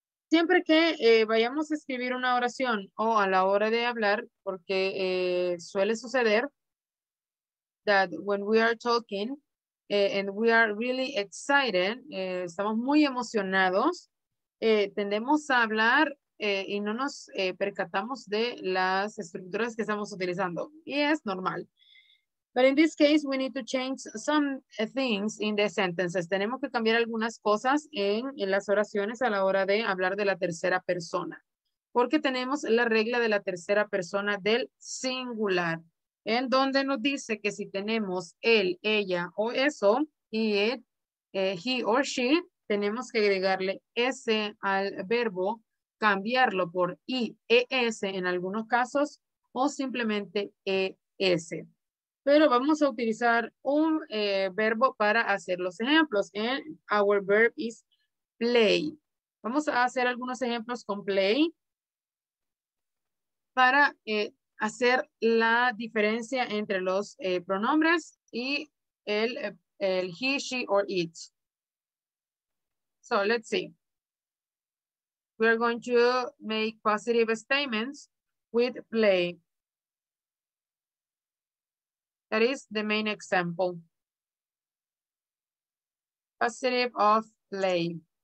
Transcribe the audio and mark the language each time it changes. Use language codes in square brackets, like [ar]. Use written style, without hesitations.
[es] Siempre que vayamos a escribir una oración o a la hora de hablar, porque suele suceder that when we are talking and we are really excited, estamos muy emocionados, tendemos a hablar y no nos percatamos de las estructuras que estamos utilizando. Y es normal. [en] But in this case, we need to change some things in the sentences. [es] Tenemos que cambiar algunas cosas en las oraciones a la hora de hablar de la tercera persona. Porque tenemos la regla de la tercera persona del singular. En donde nos dice que si tenemos él, ella o eso, it, he or she, tenemos que agregarle S al verbo. Cambiarlo por IES en algunos casos o simplemente ES. Pero vamos a utilizar un verbo para hacer los ejemplos. And our verb is play. Vamos a hacer algunos ejemplos con play para hacer la diferencia entre los pronombres y el he, she, or it. [en] So let's see. We are going to make positive statements with play. That is the main example. Positive of play.